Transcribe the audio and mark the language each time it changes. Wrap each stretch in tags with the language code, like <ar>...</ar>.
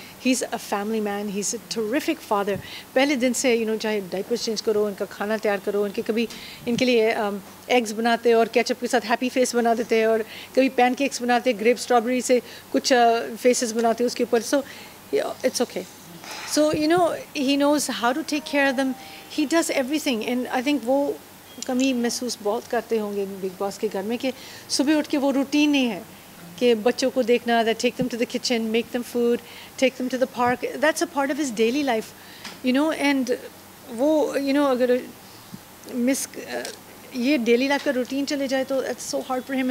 <en>He's a family man. He's a terrific father.</en> <hi>पहले दिन से</hi> <en>you know,</en> <hi>चाहे diapers change करो, उनका खाना तैयार करो, उनके कभी इनके लिए eggs बनाते और ketchup के साथ happy face बना देते हैं और कभी pancakes बनाते, grape strawberry से कुछ faces बनाते उसके ऊपर.</hi> <en>So it's okay. So you know, he knows how to take care of them. He does everything. And I think</en> <hi>वो कमी महसूस बहुत करते होंगे बिग बॉस के घर में कि सुबह उठ के वो routine नहीं है कि बच्चों को देखना,</hi> <en>That take them to the kitchen, make them food, take them to the park. That's a part of his daily life, you know. And वो you know,</en> <hi>अगर मिस ये डेली लाइफ का रूटीन चले जाए तो</hi> <en>It's so hard for him.</en>